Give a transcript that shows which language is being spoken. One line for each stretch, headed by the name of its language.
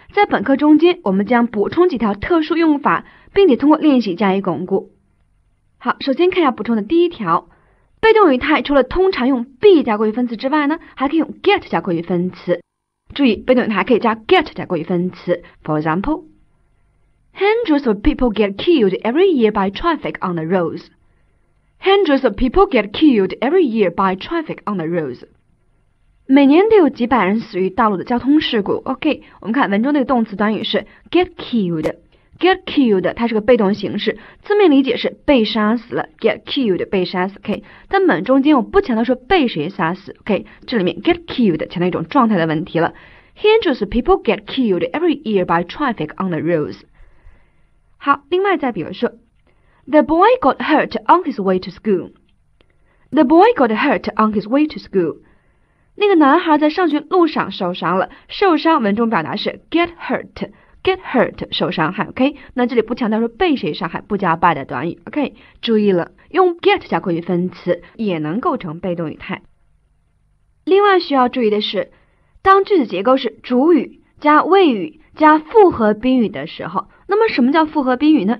Chinese: 在本课中间，我们将补充几条特殊用法，并且通过练习加以巩固。好，首先看一下补充的第一条。被动语态除了通常用 be 加过去分词之外呢，还可以用 get 加过去分词。注意，被动语态可以加 get 加过去分词。
English: For example, hundreds of people get killed every year by traffic on the roads. Hundreds of people get killed every year by traffic on the roads.
Chinese: 每年都有几百人死于道路的交通事故。 OK， 我们看文中的动词短语是 get killed。 Get killed， 它是个被动形式，字面理解是被杀死了。 Get killed， 被杀死。OK， 但本中间我不强调说被谁杀死。 OK， 这里面 get killed 强调一种状态的问题了。
English: Hundreds of people get killed every year by traffic on the roads。
Chinese: 好，另外再比如说
English: ，The boy got hurt on his way to school。 The boy got hurt on his way to school。
Chinese: 那个男孩在上学路上受伤了。受伤，文中表达是 get hurt。Get hurt 受伤害 ，OK？那这里不强调说被谁伤害，不加 by 的短语 ，OK？ 注意了，用 get 加过去分词也能构成被动语态。另外需要注意的是，当句子结构是主语加谓语加复合宾语的时候，那么什么叫复合宾语呢？